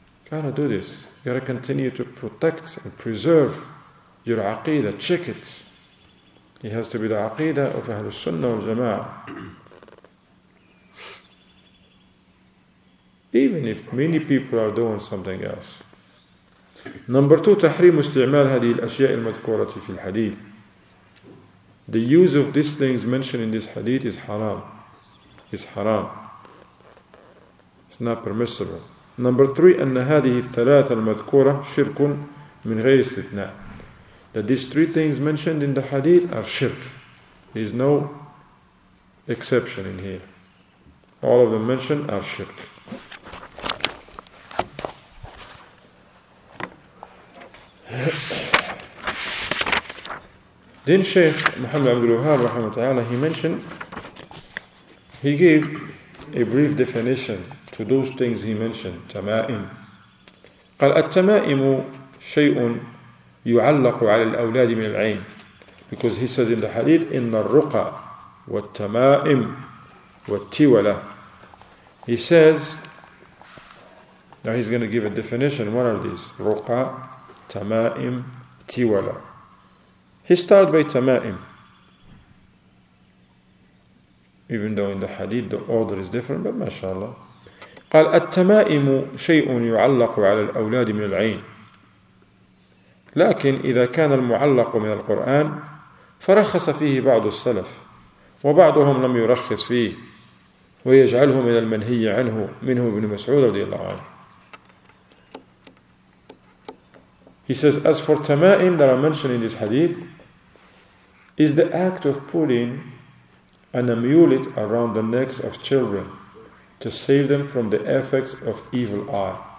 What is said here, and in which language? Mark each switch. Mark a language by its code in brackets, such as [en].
[en] Gotta do this. You gotta continue to protect and preserve your aqeedah, check it. It has to be the aqeedah of Ahlul Sunnah wal Jama'ah. Even if many people are doing something else. Number two, [ar] تحريم استعمال هذه الأشياء المذكورة في الحديث. [en] The use of these things mentioned in this hadith is haram. It's haram. It's not permissible. Number three, [ar] أن هذه الثلاثة المذكورة شرك من غير استثناء. [en] That these three things mentioned in the hadith are shirk. There is no exception in here. All of them mentioned are shirk. Then Shaykh Muhammad Abdul Wahhab rahimahullah ta'ala, he mentioned, he gave a brief definition to those things he mentioned, tama'im. [ar] قال التمائم شيء يعلق على الأولاد من العين. [en] Because he says in the hadith, in the ruqa wa tama'im wa tiwala. He says, now he's going to give a definition, what are these? Ruqa, tama'im, tiwala. He started by tama'im. Even though in the hadith the order is different, but mashallah. [ar] قال التمائم شيء يعلق على الأولاد من العين لكن إذا كان المعلق من القرآن فرخص فيه بعض السلف وبعضهم لم يرخص فيه ويجعله من المنهي عنه منه ابن مسعود رضي الله عنه. [en] He says, as for tama'im that are mentioned in this hadith, is the act of putting an amulet around the necks of children to save them from the effects of evil eye.